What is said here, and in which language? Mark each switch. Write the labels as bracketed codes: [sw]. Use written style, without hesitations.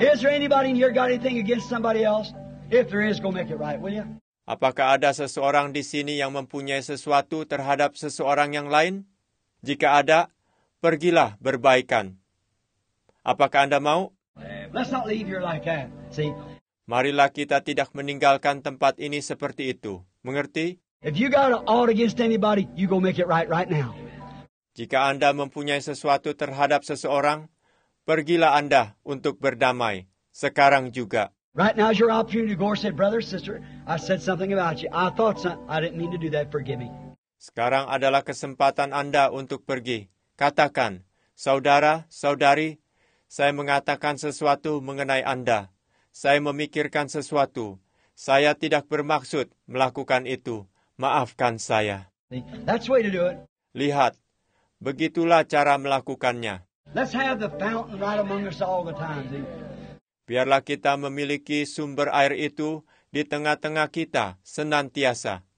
[en] Is there anybody in here got anything against somebody else? If there is, go make it right, will you? [id] Apakah ada seseorang di sini yang mempunyai sesuatu terhadap seseorang yang lain? Jika ada, pergilah berbaikan. Apakah Anda mau? [en] Let's not leave here like that. See? [id] Marilah kita tidak meninggalkan tempat ini seperti itu. Mengerti? [en] If you got an ought against anybody, you go make it right right now. [id] Jika Anda mempunyai sesuatu terhadap seseorang, pergilah Anda untuk berdamai sekarang juga. [en] Right now is your opportunity. Gore said, brother, sister, I said something about you. I thought so. I didn't mean to do that. Forgive me. [id] Sekarang adalah kesempatan Anda untuk pergi. Katakan, saudara, saudari, saya mengatakan sesuatu mengenai Anda. Saya memikirkan sesuatu. Saya tidak bermaksud melakukan itu. Maafkan saya. [en] That's the way to do it. [id] Lihat, begitulah cara melakukannya. [en] Let's have the fountain right among us all the time. See? [id] Biarlah kita memiliki sumber air itu di tengah-tengah kita senantiasa.